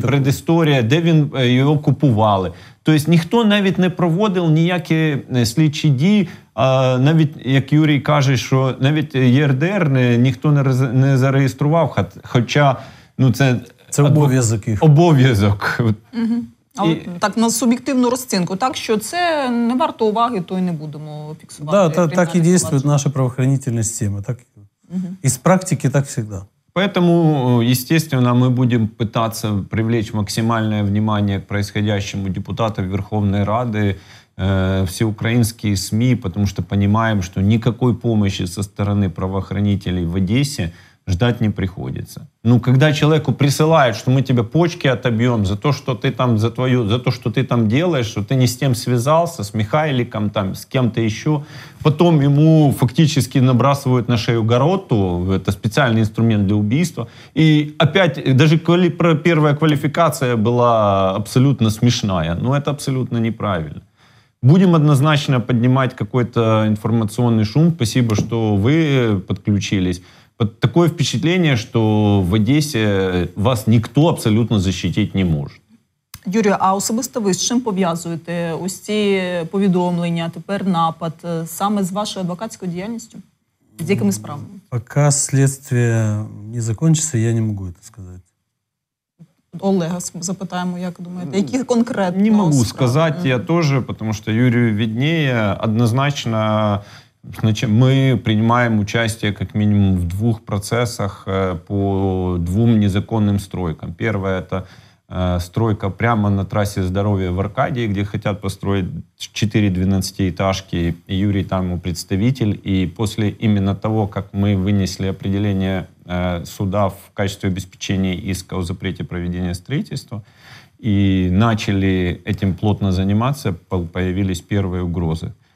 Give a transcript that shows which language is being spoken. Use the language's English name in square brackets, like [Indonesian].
[Ukrainian] предісторія, де він його купували? Тобто ніхто навіть не проводив ніякі слідчі дії, навіть, як Юрій каже, що навіть ЄРДР ніхто не зареєстрував, хоча, ну, це обов'язок їх. Обов'язок. Але, так, на суб'єктивну розцінку, так, що це не варто уваги, то й не будемо фіксувати. Да, так і діє наша правоохоронна система, так. І з практики так завжди. [Russian] Поэтому, естественно, мы будем пытаться привлечь максимальное внимание к происходящему депутатам Верховной Рады, всеукраинские СМИ, потому что понимаем, что никакой помощи со стороны правоохранителей в Одессе ждать не приходится. Ну, когда человеку присылают, что мы тебе почки отобьем за то, что ты там, за то, что ты там делаешь, что ты не с тем связался, с Михайликом, там, с кем-то еще, потом ему фактически набрасывают на шею гороту, это специальный инструмент для убийства, и опять, даже первая квалификация была абсолютно смешная, но это абсолютно неправильно. Будем однозначно поднимать какой-то информационный шум, спасибо, что вы подключились. Такое впечатление, что в Одессе вас никто абсолютно защитить не может. [Ukrainian] Юрію, а особисто ви з чим пов'язуєте ось ці повідомлення, тепер напад, саме з вашою адвокатською діяльністю? З якими справами? Поки слідство не закінчиться, я не можу це сказати. Олега запитаємо, як думаєте, які конкретно справи? Не можу сказати, я теж, тому що Юрію виднее, однозначно... [Russian] Значит, мы принимаем участие как минимум в двух процессах по двум незаконным стройкам. Первое – это стройка прямо на трассе здоровья в Аркадии, где хотят построить 4 12-этажки. Юрий там ему представитель. И после именно того, как мы вынесли определение суда в качестве обеспечения иска о запрете проведения строительства и начали этим плотно заниматься, появились первые угрозы.